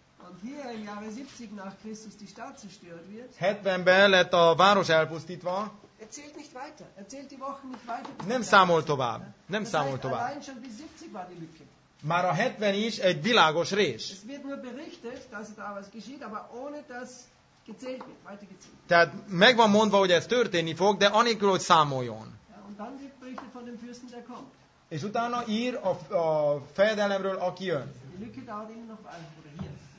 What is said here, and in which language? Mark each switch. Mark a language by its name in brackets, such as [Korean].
[German] und hier im Jahre 70 nach Christus die Stadt zerstört wird. [Hungarian] 70-ben lett a város elpusztítva. [German] Erzählt nicht weiter. Erzählt die Wochen nicht weiter. [Hungarian] Nem számol tovább. Nem számol tovább. [German] Allein schon bis 70 war die Lücke. [Hungarian] Már a 70 is egy világos rés. [German] Es wird nur berichtet, dass da was geschieht, aber ohne dass gezählt wird, weiter gezählt. [Hungarian] Tehát meg van mondva, hogy ez történni fog, de anélkül, hogy számoljon. [German] Ja, und dann wird berichtet von dem Fürsten, der kommt. [Hungarian] És utána ír a fejedelemről, aki jön. [German] Die Lücke dauert immer noch ein, oder hier.